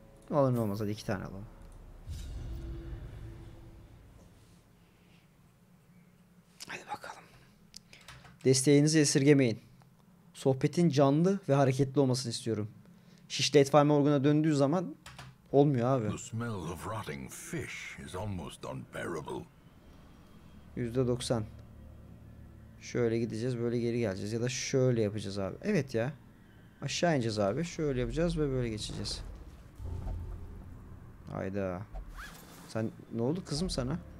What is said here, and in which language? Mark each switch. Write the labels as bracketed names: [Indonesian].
[Turkish] Olur ne olmaz, hadi iki tane alalım. Hadi bakalım. Desteğinizi esirgemeyin. Sohbetin canlı ve hareketli olmasını istiyorum. Şişli et farmı orguna döndüğü zaman olmuyor abi. [English] The smell of rotting fish is almost unbearable. %90. [Turkish] Şöyle gideceğiz, böyle geri geleceğiz ya da şöyle yapacağız abi. Evet ya. Aşağı ineceğiz abi. Şöyle yapacağız ve böyle geçeceğiz. Hayda. Sen ne oldu kızım sana?